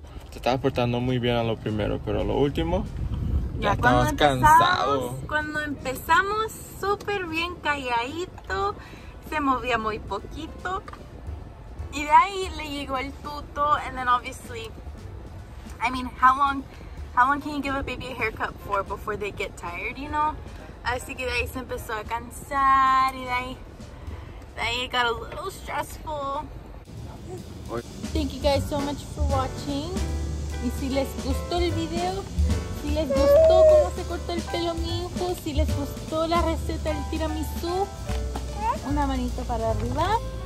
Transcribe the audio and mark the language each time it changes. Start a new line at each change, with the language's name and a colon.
Spanish: Te estabas portando muy bien a lo primero, pero a lo último ya estabas cansado. Cuando empezamos súper bien calladito, se movía muy poquito y de ahí le llegó el tuto.
English: And then obviously, I mean, how long can you give a baby a haircut for before they get tired, you know?
Spanish: Así que de ahí se empezó a cansar y de ahí
English: it got a little stressful. Thank you guys so much for watching.
Spanish: Y si les gustó el video, si les gustó cómo se cortó el pelo mi hijo, si les gustó la receta del tiramisú, una manito para arriba.